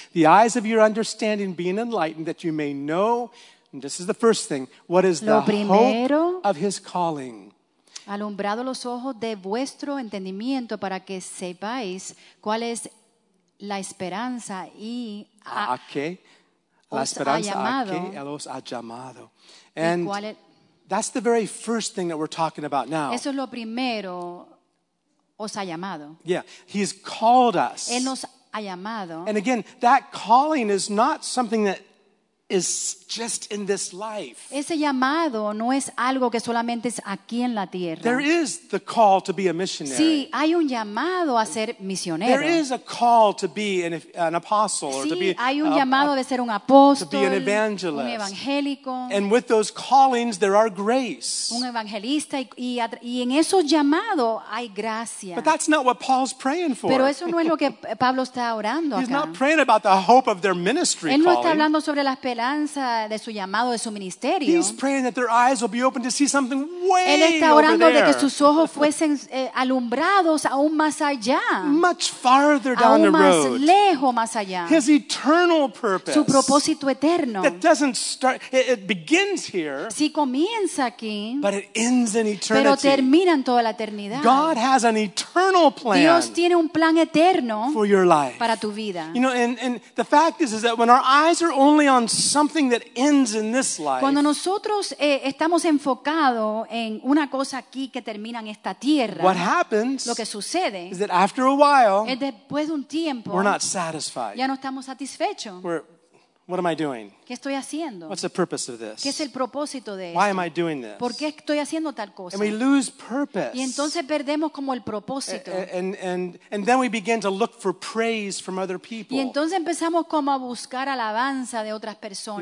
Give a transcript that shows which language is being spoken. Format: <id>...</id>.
<en>The eyes of your understanding being enlightened that you may know, and this is the first thing, what is</en> <es>lo</es> <en>the</en> <es>primero,</es> <en>hope of his calling.</en> <es>Alumbrado los ojos de vuestro entendimiento para que sepáis cuál es la esperanza y a qué. La esperanza a que él os ha llamado.</es> <en>And that's the very first thing that we're talking about now.</en> <es>Eso es lo primero, os ha llamado.</es> <en>Yeah, he's called us.</en> <es>Él nos ha llamado.</es> <en>And again, that calling is not something that is just in this life.</en> <es>Ese llamado no es algo que solamente es aquí en la tierra.</es> <en>There is the call to be a missionary.</en> <es>Sí, hay un llamado a ser misionero.</es> <en>There is a call to be an apostle,</en> <es>sí,</es> <en>or to be</en> <es>hay un llamado de ser un apóstol,</es> <en>to be an evangelist,</en> <es>un evangélico.</es> <en>And with those callings there are grace.</en> <es>Un evangelista y en esos llamados hay gracia.</es> <en>But that's not what Paul's praying for.</en> <es>Pero eso no es lo que Pablo está orando acá.</es> <en>He's not praying about the hope of their ministry calling.</en> <es>Él no está hablando sobre las de su llamado, de su ministerio.</es> <en>He's praying that their eyes will be open to see something way</en> <es>él está orando</es> <en>over there.</en> <es>De que sus ojos fuesen alumbrados aún más allá.</es> <en>Much farther down the road.</en> <es>Más lejos, más allá.</es> <en>His eternal purpose.</en> <es>Su propósito eterno.</es> <en>That doesn't start, it begins here.</en> <es>Sí, comienza aquí.</es> <en>But it ends in eternity.</en> <es>Pero termina en toda la eternidad.</es> <en>God has an eternal plan.</en> <es>Dios tiene un plan eterno</es> <en>for your life.</en> <es>Para tu vida.</es> <en>You know, and the fact is that when our eyes are only on something that ends in this life.</en> <es>Cuando nosotros estamos enfocados en una cosa aquí que termina en esta tierra,</es> <en>what happens</en> <es>lo que sucede</es> <en>is that after a while,</en> <es>es después de un tiempo,</es> <en>we're not satisfied.</en> <es>Ya no estamos satisfechos.</es> <en>We're, What am I doing?</en> <es>¿Qué estoy haciendo?</es> <en>What's the purpose of this?</en> <es>¿Qué es el propósito de esto?</es> <en>Why am I doing this?</en> <es>¿Por qué estoy haciendo tal cosa?</es> <en>And we lose purpose.</en> <es>Y entonces perdemos como el propósito.</es> <en>And then we begin to look for praise from other people.</en> <es>Y entonces empezamos como a buscar alabanza de otras personas.</es>